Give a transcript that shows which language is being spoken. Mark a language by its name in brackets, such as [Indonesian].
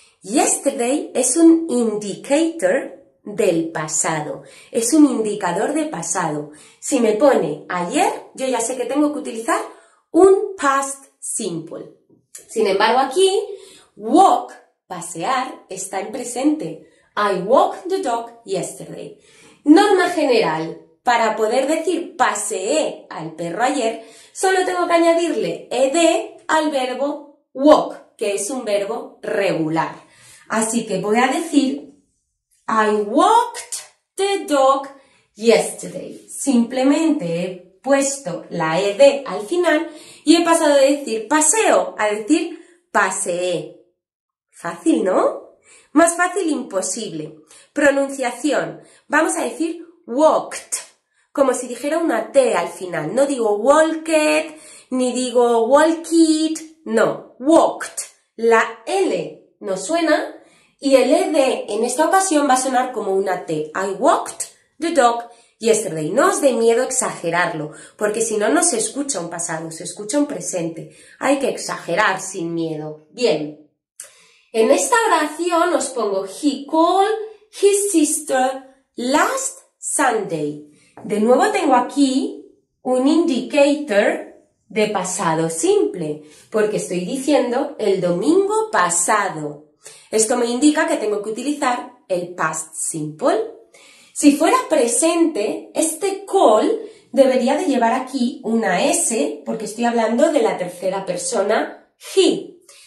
[Spanish] Yesterday es un indicator del pasado, es un indicador de pasado. Si me pone ayer, yo ya sé que tengo que utilizar un past simple. Sin embargo, aquí, walk, pasear, está en presente. [English] I walked the dog yesterday. [Spanish] Norma general, para poder decir paseé al perro ayer, solo tengo que añadirle ed al verbo walk, que es un verbo regular. Así que voy a decir, [English] I walked the dog yesterday. [Spanish] Simplemente he puesto la ed al final y he pasado de decir paseo a decir paseé. Fácil, ¿no? Más fácil imposible. Pronunciación. Vamos a decir walked, como si dijera una t al final. No digo walked, ni digo walked, no. Walked. La L no suena. Y el ed en esta ocasión va a sonar como una T. [English] I walked the dog yesterday. [Spanish] No os dé miedo exagerarlo, porque si no, no se escucha un pasado, se escucha un presente. Hay que exagerar sin miedo. Bien. En esta oración os pongo [English] he called his sister last Sunday. [Spanish] De nuevo tengo aquí un indicator de pasado simple, porque estoy diciendo el domingo pasado. Esto me indica que tengo que utilizar el past simple. Si fuera presente, este call debería de llevar aquí una S porque estoy hablando de la tercera persona, he.